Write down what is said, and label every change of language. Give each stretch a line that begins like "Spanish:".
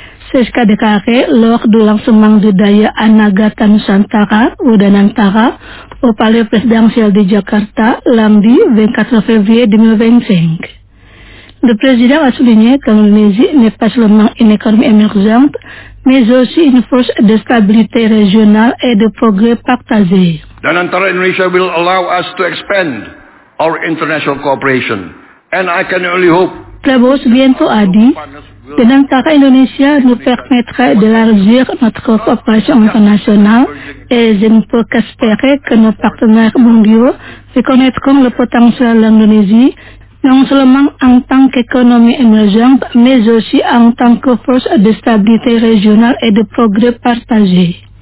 French: C'est ce qu'a déclaré lors du lancement du Daya Anagata Nusantara ou de l'intérêt au palais présidentiel de Jakarta lundi 24 février 2025. Le président a souligné que l'Indonésie n'est pas seulement une économie émergente, mais aussi une force de stabilité régionale et de progrès partagé.
English: Danantara Indonesia will allow us to expand our international cooperation, and I can only hope
French: Prabowo Subianto Adi, Benang Kakak Indonesia nous permettra d'élargir notre coopération internationale et je ne peux qu'espérer que nos partenaires mondiaux reconnaîtront le potentiel de l'Indonésie, non seulement en tant qu'économie émergente, mais aussi en tant que force de stabilité régionale et de progrès partagé.